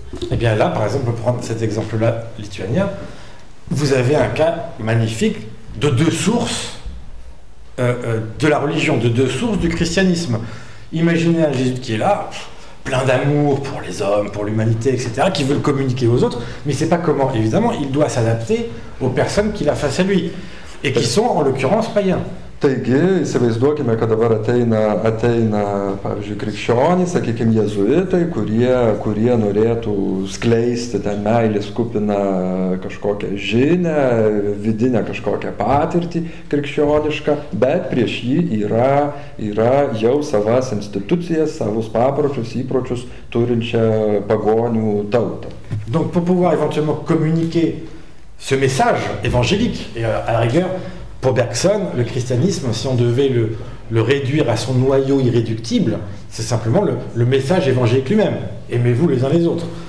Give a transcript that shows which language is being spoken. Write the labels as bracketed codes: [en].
[fr] Eh bien là, par exemple, pour prendre cet exemple-là lituanien, vous avez un cas magnifique de deux sources de la religion, de deux sources du christianisme. Imaginez un Jésus qui est là, plein d'amour pour les hommes, pour l'humanité, etc., qui veut le communiquer aux autres, mais il ne sait pas comment. Évidemment, il doit s'adapter aux personnes qu'il a face à lui, et qui sont en l'occurrence païens. [lt] Taigi, įsivaizduokime, kad dabar ateina, pavyzdžiui, krikščionys, sakykime, jėzuitai, kurie norėtų skleisti ten meilės kupiną kažkokią žinę, vidinę kažkokią patirtį krikščionišką, bet prieš jį yra jau savas institucijas, savus papročius, įpročius turinčią pagonių tautą. [fr] Donc pour pouvoir éventuellement communiquer ce message évangélique et à la rigueur pour Bergson, le christianisme, si on devait le réduire à son noyau irréductible, c'est simplement le message évangélique lui-même. Aimez-vous les uns les autres.